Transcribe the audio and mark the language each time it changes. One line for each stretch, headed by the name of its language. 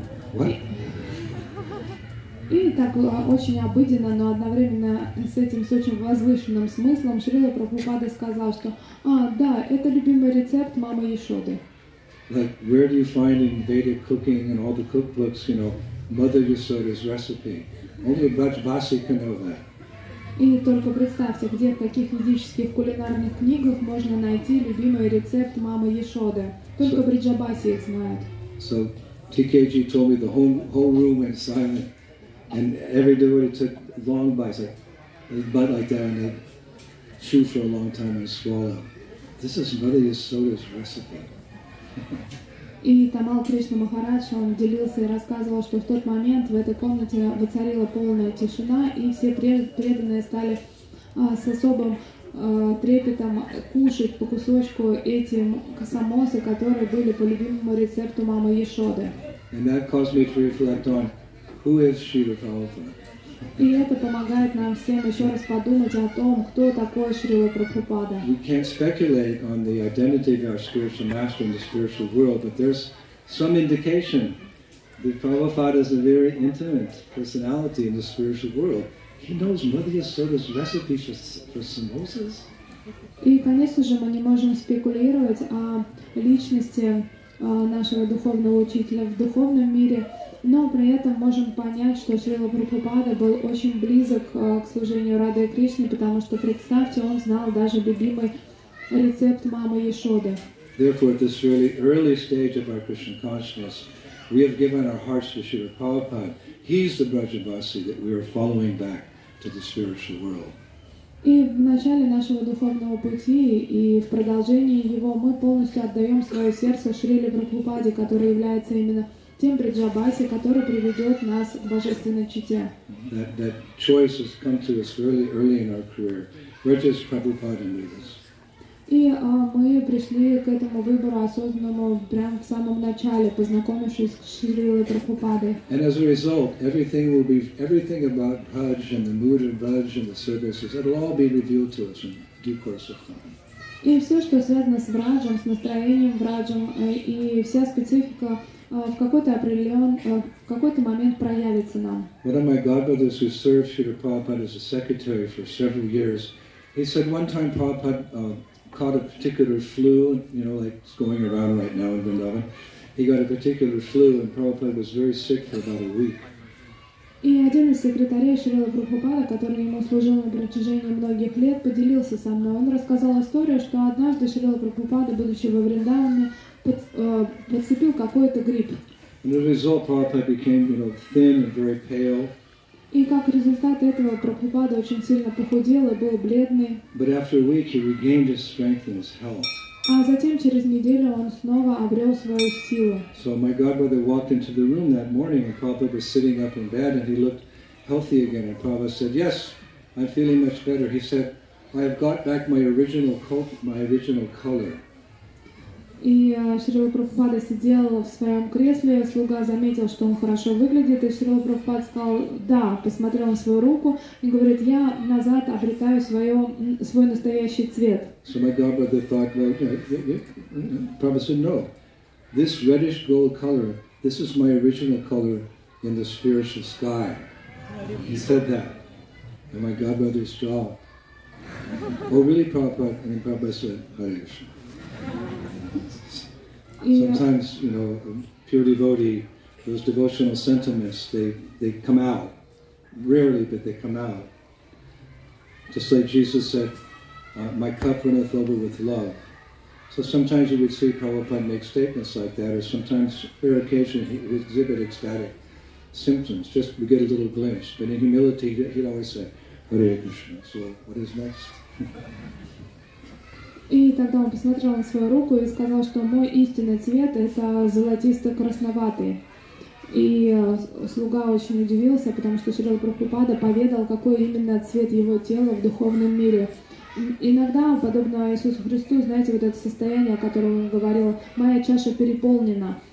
English: What?
Russian: И так очень обыденно, но одновременно с этим, с очень возвышенным смыслом, Шрила Прабхупада сказал, что «А, да, это любимый рецепт мамы Яшоды».
English: Like, where do you find in Vedic cooking and all the cookbooks, you know, Mother Yasoda's recipe? Only a Brajbasi can know that.
Russian: И только представьте, где в каких ведических кулинарных книгах можно найти любимый рецепт мамы Яшоды. Только Брджабаси их знают.
English: So, TKG told me the whole room went silent. And every devotee took long bites, like a bite like that, and they chew for a long time and swallow. This is Mother Yasoda's recipe.
Russian: И Тамал Кришна Махарадж, он делился и рассказывал, что в тот момент в этой комнате воцарила полная тишина, и все преданные стали с особым трепетом кушать по кусочку эти самосы, которые были по любимому рецепту мамы Яшоды.
English: And that caused me to reflect on who is Srila Prabhupada?
Russian: И это помогает нам всем еще раз подумать о том, кто такой Шрила Прабхупада.
English: We can't speculate on the identity of our spiritual master in the spiritual world, but there's some indication that Prabhupada is a very intimate personality in the spiritual world. He knows Mother Yasoda's recipe for samosas.
Russian: И, конечно же, мы не можем спекулировать о личности нашего духовного учителя в духовном мире. Но при этом можем понять, что Шрила Прабхупада был очень близок к служению Раде Кришне, потому что, представьте, он знал даже любимый рецепт мамы Яшоды.
English: Therefore, at this really early stage of our Krishna consciousness, we have given our hearts to Srila Prabhupada. He's the Brajabasi that we are following back to the spiritual world.
Russian: И в начале нашего духовного пути и в продолжении его мы полностью отдаем свое сердце Шриле Прабхупаде, который является именно тем Бриджабаси, который приведет нас к Божественной Чите.
English: That choice has come to us early in our career. Where does Prabhupada lead us?
Russian: И мы пришли к этому выбору осознанному прямо в самом начале, познакомившись с Шрилой Прабхупадой.
English: And as a result, everything will be everything about Bhaj and the mood of Bhaj and the services, it'll all be revealed to us in due course of time.
Russian: И все, что связано с Враджем, с настроением Враджем, и вся специфика в какой-то момент проявится нам.
English: One of my godbrothers who served Srila Prabhupada as a secretary for several years, he said one time Prabhupada caught a particular flu, you know, like it's going around right now in Vrindavan. He got a particular flu and Prabhupada was very sick for about a week.
Russian: И один из секретарей Шрилы Прабхупады, который ему служил на протяжении многих лет, поделился со мной. Он рассказал историю, что однажды Шрила Прабхупада, будучи во Вриндаване, подцепил какой-то грипп.
English: And as a result, Prabhupada became, you know, thin and very pale.
Russian: И как результат этого Прабхупада очень сильно похудел и был бледный.
English: But after a week, he regained his strength and his health.
Russian: А затем через неделю он снова обрел свою силу.
English: So my godbrother walked into the room that morning, and Prabhupada was sitting up in bed, and he looked healthy again. And Prabhupada said, "Yes, I'm feeling much better." He said, "I have got back my original color."
Russian: И Шрила Прабхупада сидел в своем кресле, слуга заметил, что он хорошо выглядит, и Шрила Прабхупада сказал, да, посмотрел на свою руку и говорит, я назад обретаю свой настоящий цвет.
English: So my godbrother thought, well, Prabhupada said, no, this reddish gold color, this is my original color in the spiritual sky. He said that, and my godbrother's jaw. Oh, really, Prabhupada? And then Prabhupada said, Hare Krishna. Sometimes, you know, a pure devotee, those devotional sentiments, they come out. Rarely, but they come out. Just like Jesus said, my cup runneth over with love. So sometimes you would see Prabhupada make statements like that, or sometimes, rare occasion, he would exhibit ecstatic symptoms. Just we get a little glimpse. But in humility, he'd always say, Hare Krishna. So what is next?
Russian: И тогда он посмотрел на свою руку и сказал, что мой истинный цвет – это золотисто-красноватый. И слуга очень удивился, потому что Шрила Прабхупада поведал, какой именно цвет его тела в духовном мире. Иногда, подобно Иисусу Христу, знаете, вот это состояние, о котором он говорил, «Моя чаша переполнена».